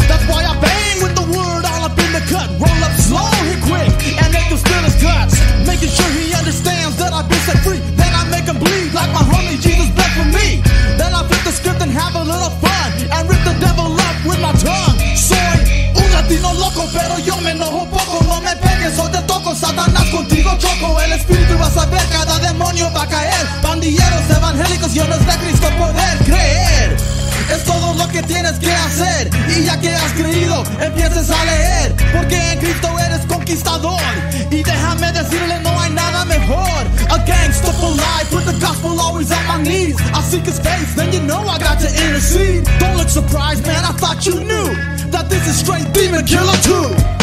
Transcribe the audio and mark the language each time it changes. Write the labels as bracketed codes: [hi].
[en] That's why I bang with the word all up in the cut. Roll up slow, hit quick, and make them spill his guts. Making sure he understands that I've been set free. Have a little fun and rip the devil up with my tongue. [es] Soy un latino loco, pero yo me enojo poco. No me pegues o te toco, Satanás contigo choco. El espíritu va a saber, cada demonio va a caer. Bandilleros, evangélicos, yo no es de Cristo poder creer. Es todo lo que tienes que hacer. Y ya que has creído, empieces a leer. Porque en Cristo eres conquistador. Y déjame decirle, no hay nada mejor. [en] A gangsta for life, with the gospel always on my knees. I seek his face, then you know I got to intercede. Don't look surprised, man, I thought you knew that this is straight demon killer too.